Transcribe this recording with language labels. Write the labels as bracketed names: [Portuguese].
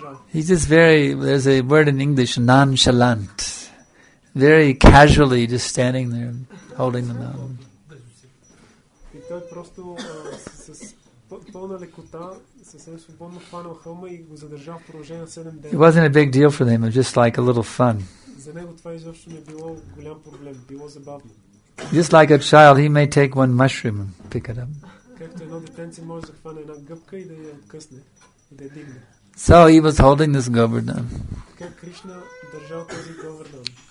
[English] He's just very, there's a word in English, nonchalant. Very casually just standing there holding the mouth. [Bulgarian] пълна лекота, съвсем свободно хванал хълма и го задържал в продължение на 7 дни. [English] It wasn't a big deal for them, it was just like a little fun. [Bulgarian] За него това изобщо не било голям проблем, било забавно. [English] Just like a child, he may take one mushroom and pick it up. [Bulgarian] Както едно детенце може да хване една гъбка и да я откъсне, и да я дигне. [English] So he was holding this Govardhan. [Bulgarian] Как Кришна държал този Govardhan?